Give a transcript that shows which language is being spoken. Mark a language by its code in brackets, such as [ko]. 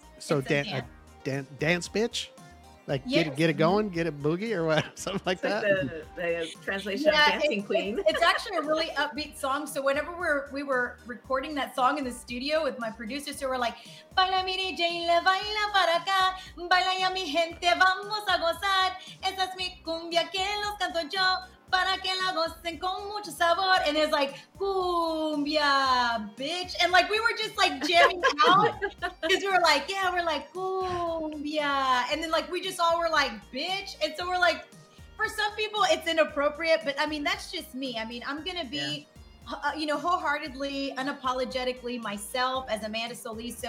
[en] So dance bitch? Like, yes. get it going, get it boogie or what? Something like that? The translation of Dancing Queen. It's actually a really upbeat song. So whenever we were recording that song in the studio with my producers, so we're like, [es] baila mi DJ, la baila para acá. Baila ya mi gente, vamos a gozar. Esa es mi cumbia que los canto yo. Para que la gocen con mucho sabor. [en] And it's like, cumbia, bitch. And like, we were just like jamming out. Because we were like, yeah, we're like, cumbia. And then like, we just all were like, bitch. And so we're like, for some people, it's inappropriate. But I mean, that's just me. I mean, I'm going to be, you know, wholeheartedly, unapologetically myself as Amanda Solis.